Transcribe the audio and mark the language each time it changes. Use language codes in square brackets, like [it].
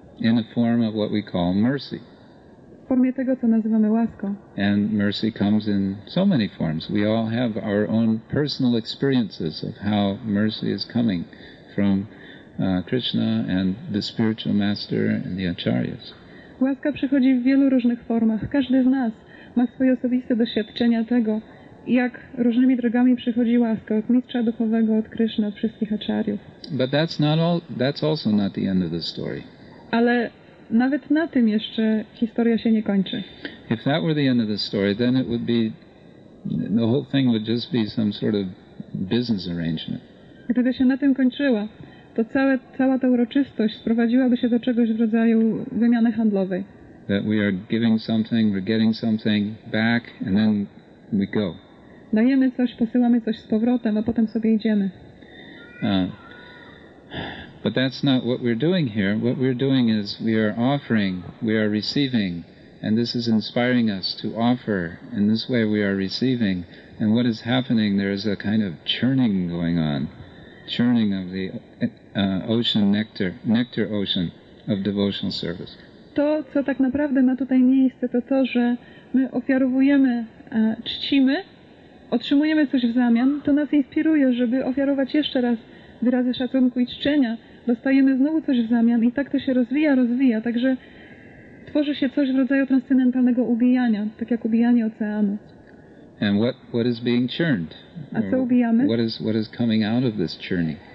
[en] In the form of what we call mercy. [pl] W formie tego, co nazywamy łaską. [en] And mercy comes in so many forms. We all have our own personal experiences of how mercy is coming from Krishna and the spiritual master and the acharyas. [pl] Łaska przychodzi w wielu różnych formach. Każdy z nas ma swoje osobiste doświadczenia tego, jak różnymi drogami przychodzi łaska od mistrza duchowego, od Krishna, od wszystkich acharyów. [en] But that's not all. That's also not the end of the story. [pl] Ale nawet na tym jeszcze historia się nie kończy. [en] If that were the end of the story, then it would be the whole thing would just be some sort of business arrangement. [pl] Gdyby się na tym kończyła, to cała ta uroczystość sprowadziłaby się do czegoś w rodzaju wymiany handlowej. [en] That we are giving something, we're getting something back, and then we go. [pl] Dajemy coś, posyłamy coś z powrotem, a potem sobie idziemy. [en] But that's not what we're doing here. What we're doing is we are offering, we are receiving, and this is inspiring us to offer. In this way we are receiving. And what is happening, there is a kind of churning going on. Churning of the ocean nectar ocean of devotional service. [pl] To, co tak naprawdę ma tutaj miejsce, to to, że my ofiarowujemy, czcimy, otrzymujemy coś w zamian, to nas inspiruje, żeby ofiarować jeszcze raz wyrazy szacunku i czczenia. Dostajemy znowu coś w zamian i tak to się rozwija, także tworzy się coś w rodzaju transcendentalnego ubijania, tak jak ubijanie oceanu. [en] And what is being churned? [pl] A co ubijamy? [en] What is coming out of this churning?